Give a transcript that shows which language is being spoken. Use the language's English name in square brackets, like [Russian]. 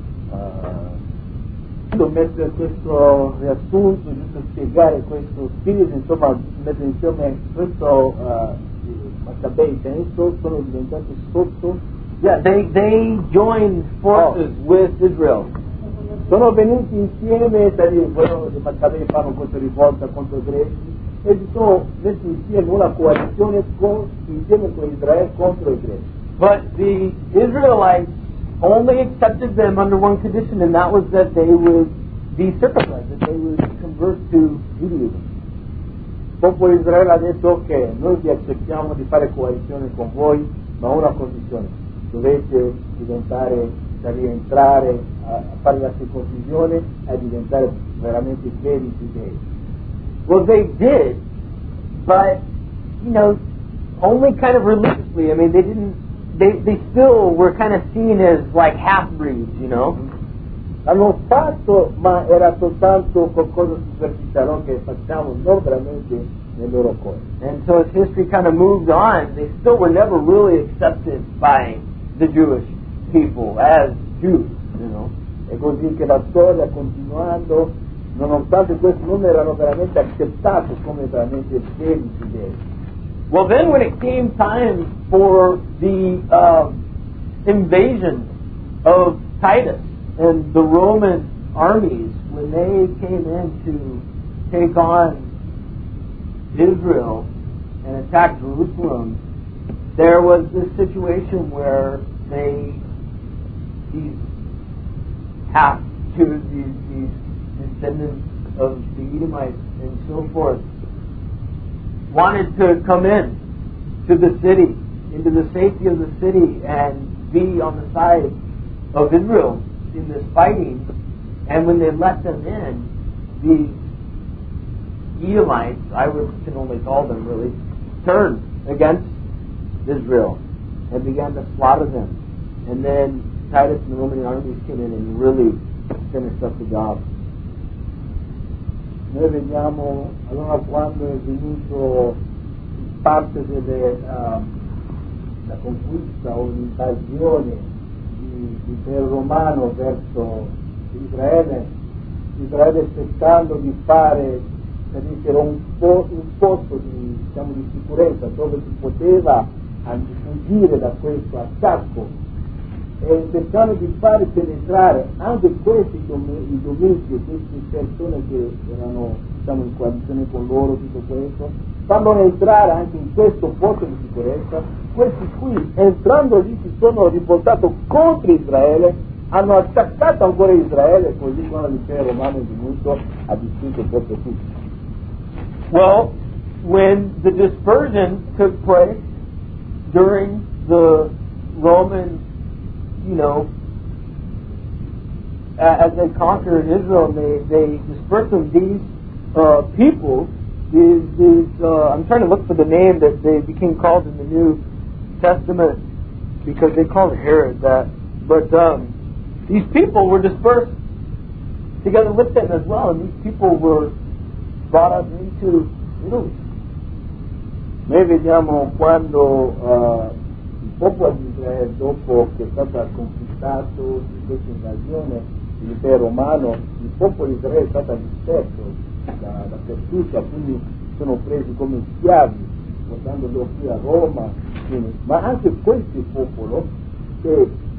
[Italian] volendo mettere questo riassunto, giusto spiegare questo spirito, insomma, mettere insieme questo Maccabei Tenso, sono diventati sotto. [English] Yeah, they joined forces with Israel. [Italian] Sono venuti insieme, per il quello dei Maccabei fanno questa rivolta contro i greci, e si sono messi insieme una coalizione con, insieme con Israele contro i greci. [English] But the Israelites only accepted them under one condition, and that was that they would be circumcised, that they would convert to Judaism. [Italian] Popolo Israele ha detto che noi vi accettiamo di fare coalizione con voi, ma una condizione, dovete diventare, da rientrare a fare la circoncisione e diventare veramente veri giudei. [English] Well, they did, but, you know, only kind of religiously. I mean, they didn't, they still were kind of seen as like half-breeds, you know? [Italian] L'hanno fatto, ma era soltanto qualcosa superficiale che facciamo, non veramente nel loro cuore. [English] And so as history kind of moved on, they still were never really accepted by the Jewish people as Jews, you know? [Italian] E così che la storia continuando, nonostante questo, non erano veramente accettati come veramente veri giudei. [English] Well, then when it came time for the invasion of Titus and the Roman armies, when they came in to take on Israel and attack Jerusalem, there was this situation where they, these half Jews, these descendants of the Edomites and so forth, wanted to come in to the city, into the safety of the city, and be on the side of Israel in this fighting. And when they let them in, the Edomites, I can only call them really, turned against Israel and began to slaughter them. And then Titus and the Roman armies came in and really finished up the job. [Italian] Noi vediamo allora quando è venuto parte della la conquista o l'invasione di del romano verso Israele, Israele cercando di fare, per dire, un posto di, diciamo, di sicurezza dove si poteva fuggire da questo attacco, e cercando di far penetrare anche questi domini, queste persone che erano, diciamo, in coalizione con loro, tutto questo, fanno entrare anche in questo posto di sicurezza, questi qui, entrando lì, si sono rivoltati contro Israele, hanno attaccato ancora Israele, così quando l'impero romano è venuto, ha distrutto proprio tutto. [English] Well, when the dispersion took place during the Roman, you know, as they conquered Israel, they dispersed them. These people, I'm trying to look for the name that they became called in the New Testament, because they called Herod that, but these people were dispersed together with them as well, and these people were brought up into Italy. [Italian] Noi vediamo quando il popolo di Israele, dopo che è stato conquistato di questa invasione dell'impero romano, il popolo di Israele è stato disperso da Persia, quindi sono presi come schiavi, portandolo qui a Roma, quindi, ma anche questo popolo che,